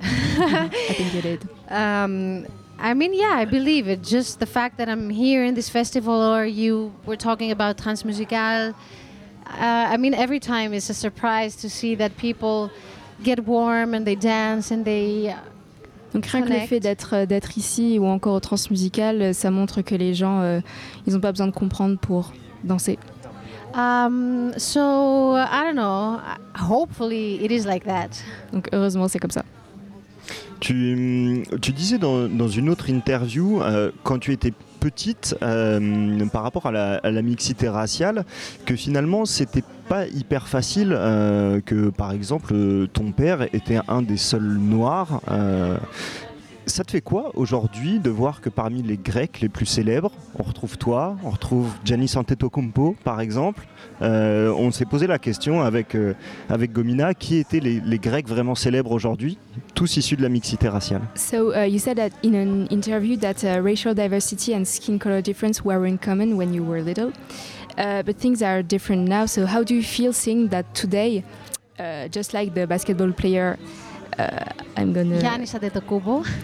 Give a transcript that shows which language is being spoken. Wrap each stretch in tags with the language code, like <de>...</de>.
<en>I think you did. I mean, yeah, I believe it. Just the fact that I'm here in this festival, or you were talking about Transmusical. I mean, every time it's a surprise to see that people get warm and they dance and they</en> <fr>donc rien</fr> <en>connect.</en> <fr>Que le fait d'être ici ou encore au Transmusical, ça montre que les gens ils ont pas besoin de comprendre pour danser.</fr> <en>So I don't know, hopefully it is like that.</en> <fr>Donc heureusement c'est comme ça. Tu disais dans une autre interview quand tu étais petite par rapport à la mixité raciale, que finalement c'était pas hyper facile, que par exemple ton père était un des seuls noirs. Ça te fait quoi aujourd'hui de voir que parmi les Grecs les plus célèbres, on retrouve toi, on retrouve Giannis Antetokounmpo par exemple. On s'est posé la question avec Gomina, qui étaient les Grecs vraiment célèbres aujourd'hui, tous issus de la mixité raciale.</fr> <en>So you said that in an interview that racial diversity and skin color difference were in common when you were little, but things are different now. So how do you feel seeing that today, just like the basketball player? I'm gonna Giannis Antetokounmpo.</en>